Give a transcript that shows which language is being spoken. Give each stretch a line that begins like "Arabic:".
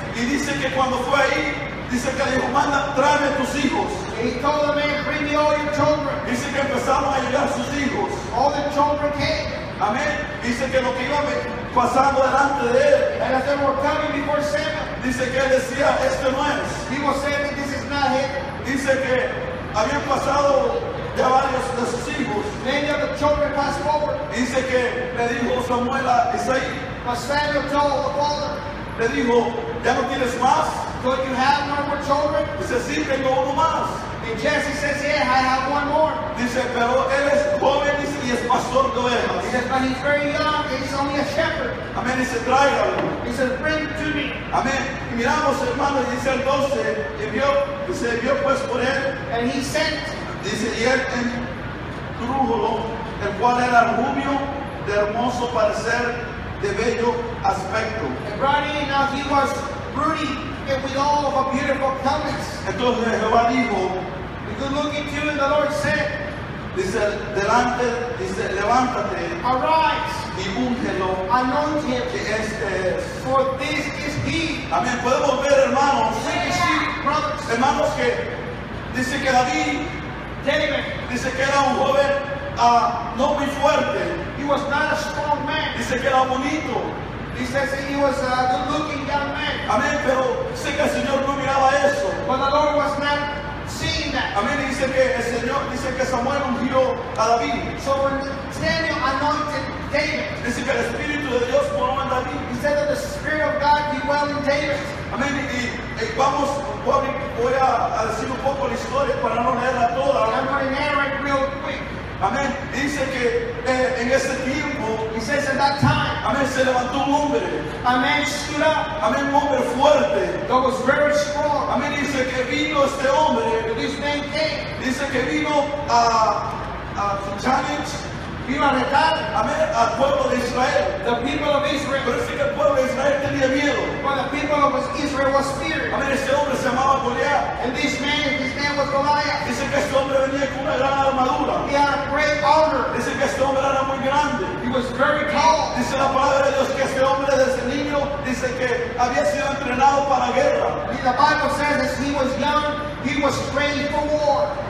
Spanish: Y dice que cuando fue ahí, dice que le dijo, manda, tráeme tus hijos.
English: And he told the man, bring me all your children.
Spanish: Dice que empezaron a llegar sus hijos.
English: All the children came.
Spanish: Amén. Dice que lo que iba pasando delante de él.
English: And as they were coming before Samuel.
Spanish: Dice que él decía, este no es.
English: He was saying, this is not him.
Spanish: Dice que habían pasado ya varios de sus hijos.
English: Many of the children passed over.
Spanish: Dice que le dijo Samuel a Isaí.
English: But Samuel told the father.
Spanish: Le dijo, ya no tienes más.
English: Don't you have no more children?
Spanish: Dice, sí, tengo uno más.
English: And Jesse says, yeah, I have one more.
Spanish: Dice, pero él es joven y es pastor de ovejas.
English: He says, but he's very young and he's only a shepherd.
Spanish: Amén, dice, tráigalo.
English: He says, bring it to me.
Spanish: Amén. Y miramos, hermano, dice el 12, y vio pues por él.
English: And he sent.
Spanish: Dice, y él trújolo, el cual era rubio de hermoso parecer, de bello aspecto.
English: And brought in, now he was ruddy and with all of a beautiful countenance.
Spanish: Entonces Jehová dijo,
English: the good looking to you, and the Lord said,
Spanish: dice, delante, dice, levántate,
English: arise,
Spanish: y úngelo,
English: anoint him,
Spanish: que este es.
English: For this is he.
Spanish: Amén, podemos ver, hermanos,
English: yeah, brothers,
Spanish: hermanos, que dice que David,
English: David,
Spanish: dice que era un joven no muy fuerte.
English: He was not a strong man.
Spanish: Dice que era bonito.
English: He says he was a good looking young man.
Spanish: Amén, pero sé que el Señor no miraba eso.
English: But the Lord was not seeing that.
Spanish: Amén, dice que el Señor, dice que Samuel ungió a David.
English: So when Samuel anointed David,
Spanish: dice que el Espíritu de Dios moró en David.
English: He said that the Spirit of God dwelt in David.
Spanish: Amén, y vamos, voy a decir un poco la historia para no leerla toda.
English: I'm going to narrate real quick.
Spanish: Amén. Dice que en ese tiempo,
English: he says at that time,
Spanish: amén, se levantó un hombre.
English: Amén, stood up.
Spanish: Amén, un hombre fuerte.
English: That was very strong.
Spanish: Amén, dice que vino este hombre.
English: But this man came.
Spanish: Dice que vino a challenge. Vino a retar. Amén, al pueblo de Israel.
English: The people of Israel.
Spanish: Pero dice que el pueblo de Israel tenía miedo.
English: But the people of Israel was feared.
Spanish: Amén, este hombre se llamaba Goliat.
English: And this man, his name was Goliath.
Spanish: Dice que este hombre venía con una gran armadura.
English: He had a great armor.
Spanish: Dice que este hombre era muy grande.
English: He was very tall.
Spanish: Dice la palabra de Dios que este hombre desde niño, dice que había sido entrenado para guerra.
English: And the Bible says that he was young, he was trained for war.